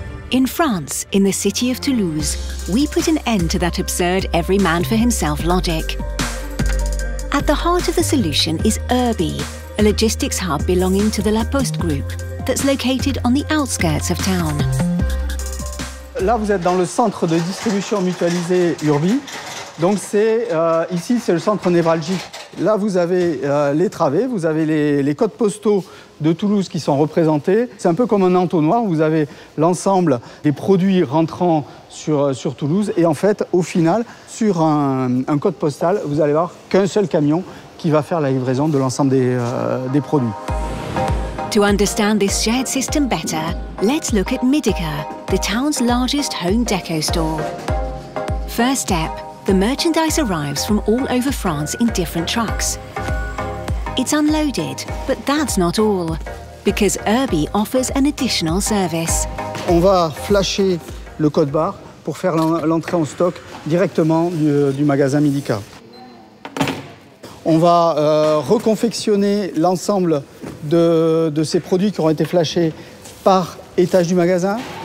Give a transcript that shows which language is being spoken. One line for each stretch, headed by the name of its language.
English: In France, in the city of Toulouse, we put an end to that absurd every man for himself logic. At the heart of the solution is Urbi, a logistics hub belonging to the La Poste Group that's located on the outskirts of town.
French: Là, vous êtes dans le centre de distribution mutualisée Urbi. Donc c'est ici, c'est le centre névralgique. Là, vous avez les travées, vous avez les codes postaux de Toulouse qui sont représentés. C'est un peu comme un entonnoir, vous avez l'ensemble des produits rentrant sur Toulouse et en fait, au final, sur un code postal, vous allez voir qu'un seul camion qui va faire la livraison de l'ensemble des produits.
English: To understand this shared system better, let's look at Midica, the town's largest home deco store. First step, the merchandise arrives from all over France in different trucks. It's unloaded, but that's not all, because Urbi offers an additional service.
French: On va flasher le code barre pour faire l'entrée en stock directement du magasin Midica. On va reconfectionner l'ensemble de ces produits qui auront été flashés par étage du magasin.